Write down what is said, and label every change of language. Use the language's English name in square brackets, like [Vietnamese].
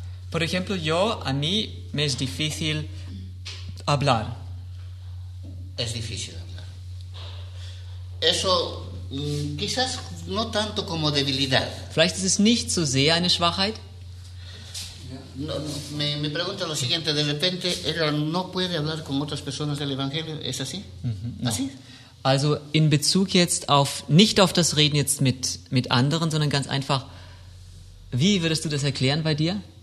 [Spanish] Por ejemplo, yo, a mí, me es difícil hablar. Es difícil hablar. Eso, quizás no tanto como debilidad. Vielleicht ist es nicht so sehr eine Schwachheit. No, me pregunta lo siguiente, de repente, ella no puede hablar con otras personas del Evangelio, ¿es así? No. ¿Así? [German] Also, in Bezug jetzt auf, nicht auf das Reden jetzt mit anderen, sondern ganz einfach, wie würdest du das erklären bei dir?